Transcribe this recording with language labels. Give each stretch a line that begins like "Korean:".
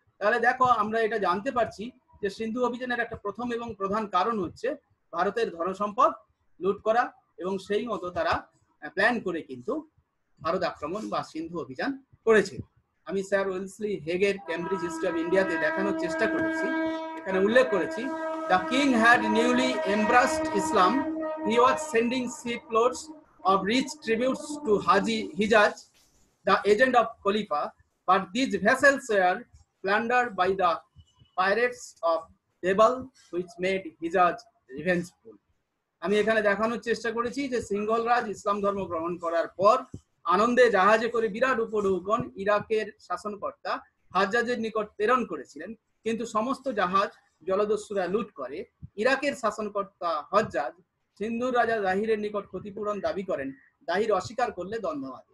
Bangla: তাহলে দেখো আমরা এটা জানতে পারছি যে সিন্ধু অভিযানের একটা প্রথম এবং প্রধান কারণ হচ্ছে ভারতের ধনসম্পদ লুট করা, এবং সেই মতো তারা প্ল্যান করে কিন্তু ভারত আক্রমণ বা সিন্ধু অভিযান করেছে। আমি sir Wellesley হেগের Cambridge history of ইন্ডিয়াতে দেখানোর চেষ্টা করেছি, এখানে উল্লেখ করেছি,
English: The king had newly embraced Islam, he was sending ship loads of rich tributes to Haji Hijaz the agent of Khalifa, but these vessels were plundered by the pirates of Jebel, which made Hijaz revengeful.
Bangla: আমি এখানে দেখানোর চেষ্টা করেছি যে সিঙ্গলরাজ ইসলাম ধর্ম গ্রহণ করার পর আনন্দে জাহাজে করে বিরাট উপঢৌকন ইরাকের শাসনকর্তা হাজ্জাজের নিকট প্রেরণ করেছিলেন, কিন্তু সমস্ত জাহাজ জলদস্যুরা লুট করে। ইরাকের শাসনকর্তা হাজ্জাজ সিন্ধুর রাজা দাহিরের নিকট ক্ষতিপূরণ দাবি করেন, দাহির অস্বীকার করলে দণ্ডবাদ।